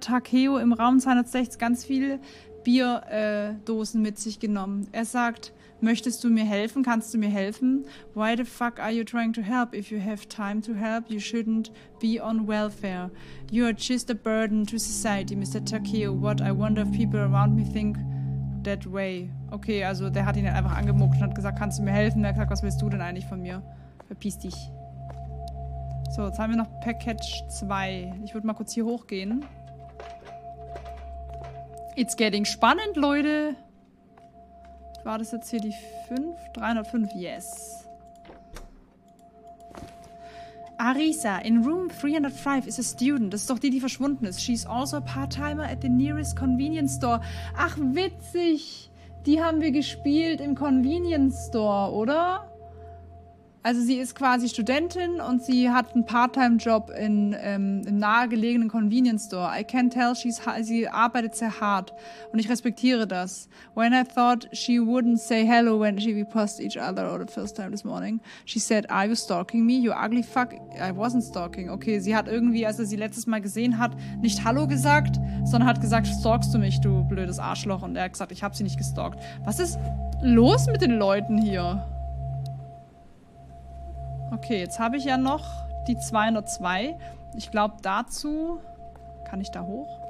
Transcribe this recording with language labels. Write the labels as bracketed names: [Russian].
[German] Takeo im Raum 206 ganz viele Bierdosen mit sich genommen. Er sagt, möchtest du mir helfen? Kannst du mir helfen? [English] Why the fuck are you trying to help? If you have time to help, you shouldn't be on welfare. You are just a burden to society, Mr. Takeo. What I wonder if people around me think that way. [German] Okay, also der hat ihn halt einfach angemuckt und hat gesagt, kannst du mir helfen? Er hat gesagt, was willst du denn eigentlich von mir? Verpiss dich. So, jetzt haben wir noch Package 2. Ich würde mal kurz hier hochgehen. [English] It's getting [German] spannend, Leute. War das jetzt hier die 5? [English] 305, yes. Arisa, in room 305 is a student. [German] Das ist doch die, die verschwunden ist. [English] She's also a part-timer at the nearest convenience store. [German] Ach, witzig. Die haben wir gespielt im Convenience Store, oder? Also sie ist quasi Studentin und sie hat einen Part-Time-Job im nahegelegenen Convenience Store. [English] I can tell, [German] sie arbeitet sehr hart und ich respektiere das. [English] When I thought she wouldn't say hello when we passed each other or the first time this morning, she said, are you stalking me, you ugly fuck? I wasn't stalking. [German] Okay, sie hat irgendwie, als er sie letztes Mal gesehen hat, nicht Hallo gesagt, sondern hat gesagt, stalkst du mich, du blödes Arschloch? Und er hat gesagt, ich habe sie nicht gestalkt. Was ist los mit den Leuten hier? Okay, jetzt habe ich ja noch die 202. Ich glaube, dazu kann ich da hoch.